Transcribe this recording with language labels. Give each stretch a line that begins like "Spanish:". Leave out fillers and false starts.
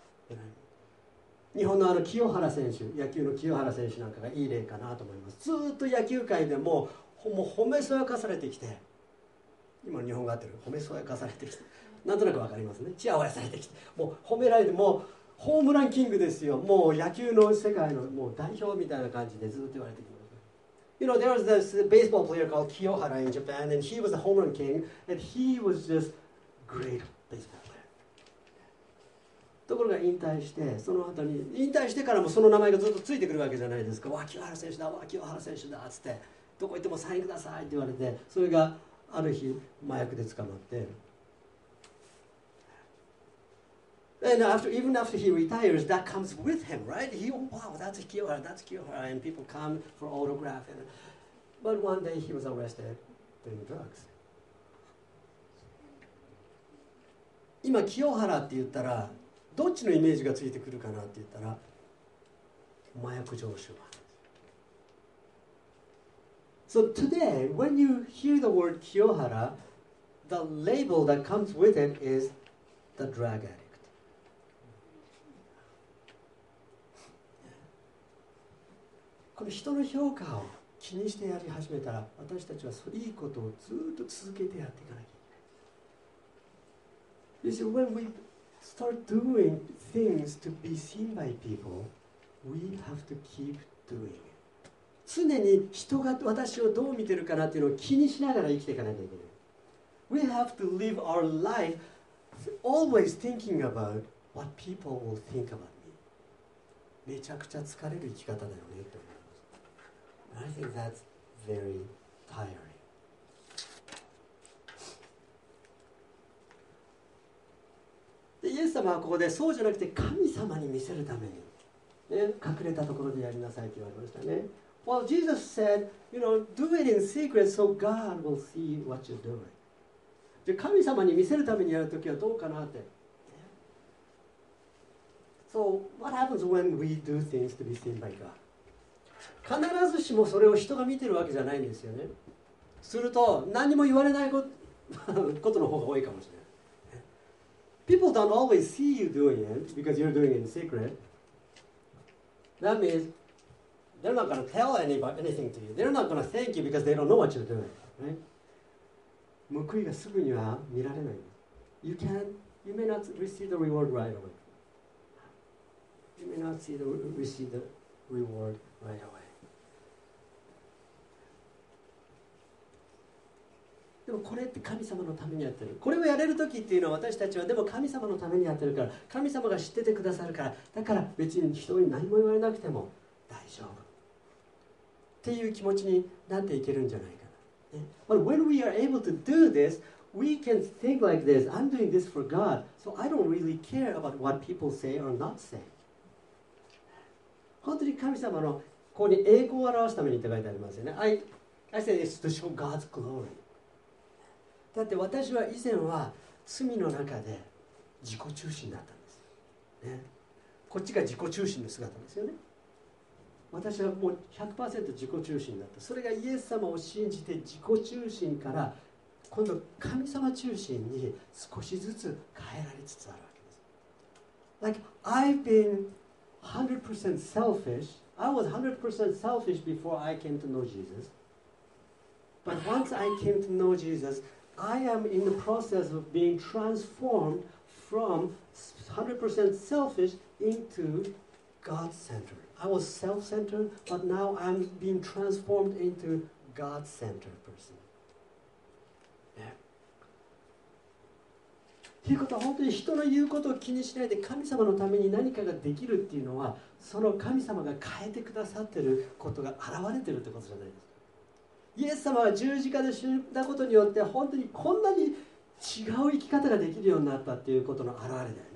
English: You know?
Japanese: 日本のあの清原選手、野球の清原選手なんかがいい例かなと思います。ずっと野球界でもう褒めそやかされてきて、今日本があってる、褒めそやかされてきて、なんとなくわかりますね。チヤホヤされてきて、もう褒められて、もうホームランキングですよ。もう野球の世界のもう代表みたいな感じでずっと言われてきます。
English: You know, there was this baseball player called Kiyohara in Japan, and he was a home run king, and he was just great baseball player.
Japanese: ところが引退して、その後に、引退してからもその名前がずっとついてくるわけじゃないですか。わ、清原選手だ、わ、清原選手だ、つって、どこ行ってもサインくださいって言われて、それがある日、麻薬で捕まって、
English: And after, even after he retires, that comes with him, right? He, wow, that's Kiyohara, that's Kiyohara. And people come for autograph. And, but one day he was arrested doing drugs.
Japanese: 今、Kiyohara って言ったら、どっちのイメージがついてくるかなって言ったら、麻薬常習犯。
English: So today, when you hear the word Kiyohara, the label that comes with it is the drug addict.
Japanese: この人の評価を気にしてやり始めたら、私たちはそういいことをずっと続けてやっていかなきゃいけない。
English: You see, when we start doing things to be seen by people, we have to keep doing it.
Japanese: 常に人が私をどう見てるかなっていうのを気にしながら生きていかなきゃいけない。
English: We have to live our life always thinking about what people will think about.
Japanese: めちゃくちゃ疲れる生き方だよねって思います。
English: I think that's very tiring.
Japanese: で、イエス様はここでそうじゃなくて神様に見せるために、ね、隠れたところでやりなさいって言われましたね。
English: Well, Jesus said, you know, do it in secret so God will see what you're doing.
Japanese: で、神様に見せるためにやるときはどうかなって。
English: So what happens when we do things to be seen by God?
Japanese: 必ずしもそれを人が見てるわけじゃないんですよね。すると何も言われないことの方が多いかもしれない。
English: People don't always see you doing it because you're doing it in secret. That means they're not going to tell anybody anything to you. They're not going to thank you because they don't know what you're doing. Right?
Japanese: 報いがすぐには見られない。
English: You may not receive the reward right away. You may not see receive the reward right away.
Japanese: でもこれって神様のためにやってる。これをやれるときっていうのは私たちはでも神様のためにやってるから、神様が知っててくださるから、だから別に人に何も言われなくても大丈夫。っていう気持ちになっていけるんじゃないかな。
English: But when we are able to do this, we can think like this. I'm doing this for God, so I don't really care about what people say or not say.
Japanese: 本当に神様のここに栄光を表すためにって書いてありますよね。
English: I say it's to show God's glory.
Japanese: だって私は以前は罪の中で自己中心だったんです、ね。こっちが自己中心の姿ですよね。私はもう 100% 自己中心だった。それがイエス様を信じて自己中心から今度神様中心に少しずつ変えられつつあるわけです。
English: Like I've been 100% selfish. I was 100% selfish before I came to know Jesus. But once I came to know Jesus, I am in the process of being transformed from 100% selfish into God-centered. I was self-centered, but now I'm being transformed into God-centered person.
Japanese: ということは本当に人の言うことを気にしないで神様のために何かができるっていうのはその神様が変えてくださってることが現れてるってことじゃないですか。イエス様が十字架で死んだことによって本当にこんなに違う生き方ができるようになったっていうことの現れだよね。